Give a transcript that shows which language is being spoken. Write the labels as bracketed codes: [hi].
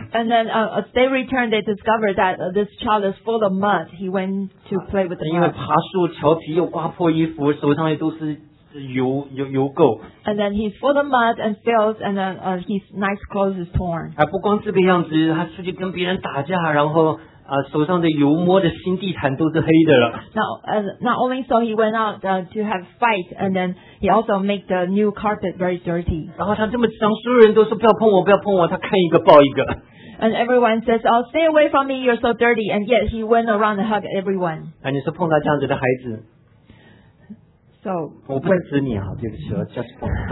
[en] And then as they returned, they discovered that this child is full of mud. He went to play with the mud. [zh] 因为爬树调皮又刮破衣服，手上也都是。油垢, [en] and then he's full of mud and filth, and then his nice clothes is torn. [zh] 不光这个样子, 他出去跟别人打架, 然后, 手上的油摸的新地毯都是黑的了。 [en] Not only so, he went out to have fight, and then he also made the new carpet very dirty. [zh] 然后他这么脏, 所有人都说, 不要碰我, 不要碰我, 他看一个抱一个。 [en] And everyone says, oh, stay away from me, you're so dirty, and yet he went around and hugged everyone. [zh] 你说碰到这样子的孩子。 [en] So, [zh] 我不指你啊, 对不起, [en] just for